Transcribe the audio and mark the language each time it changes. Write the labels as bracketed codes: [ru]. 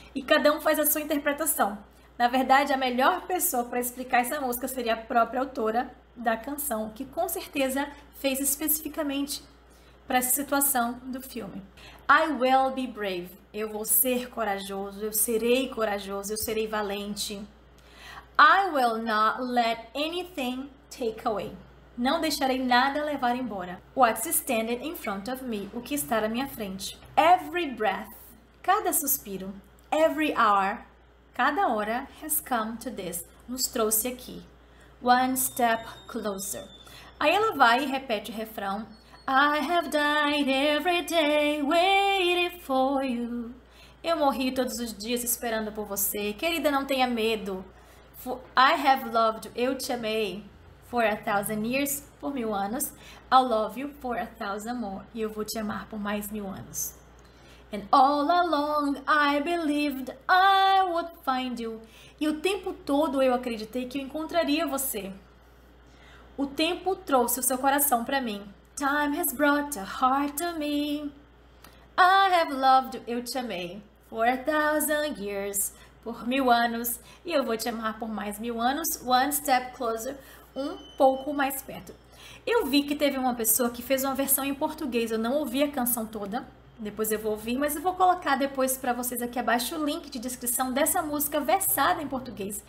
[pt] E cada um faz a sua interpretação. Na verdade, a melhor pessoa para explicar essa música seria a própria autora da canção, que com certeza fez especificamente para essa situação do filme. [en] I will be brave. [pt] Eu vou ser corajoso, eu serei corajoso, eu serei valente. [en] I will not let anything take away. [pt] Não deixarei nada levar embora. [en] What's standing in front of me? [pt] O que está à minha frente? [en] Every breath, [pt] cada suspiro. [en] Every hour, [pt] cada hora [en] has come to this. [pt] Nos trouxe aqui. [en] One step closer. [pt] Aí ela vai e repete o refrão. [en] I have died every day waiting for you. [pt] Eu morri todos os dias esperando por você. Querida, não tenha medo. [en] For I have loved you. [pt] Eu te amei. [en] For 1,000 years. [pt] Por 1,000 anos. [en] I'll love you for 1,000 more. [pt] E eu vou te amar por mais 1,000 anos. [en] And all along I believed I would find you. [pt] E o tempo todo eu acreditei que eu encontraria você. O tempo trouxe o seu coração para mim. [en] Time has brought a heart to me. I have loved you. [pt] Eu te amei. [en] For 1,000 years, [pt] por 1,000 anos, e eu vou te amar por mais 1,000 anos, [en] one step closer, [pt] um pouco mais perto. Eu vi que teve uma pessoa que fez uma versão em português, eu não ouvi a canção toda, depois eu vou ouvir, mas eu vou colocar depois para vocês aqui abaixo o link de descrição dessa música versada em português.